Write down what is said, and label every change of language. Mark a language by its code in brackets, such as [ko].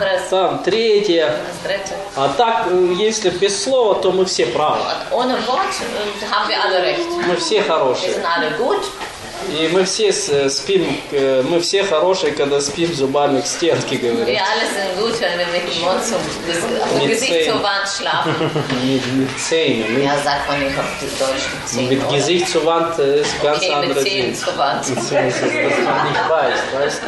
[ru] Там третье. А так, если без слова, то мы все правы. [de] Ohne Wort haben wir alle recht. [ru] Мы все хорошие. [de] Wir sind alle gut. [ru] И мы все спим, мы все хорошие, когда спим зубами к стенке, говорят. [de] Wir alle sind gut, wenn wir mit dem Mund zum Gesicht zur Wand schlafen. Mit Zähnen. Ja, sagt man nicht auf die deutschen Zähne. Mit Gesicht zur Wand ist ganz anders. Okay, mit Zähnen zur Wand. Das ist, dass man nicht weiß, weißt du?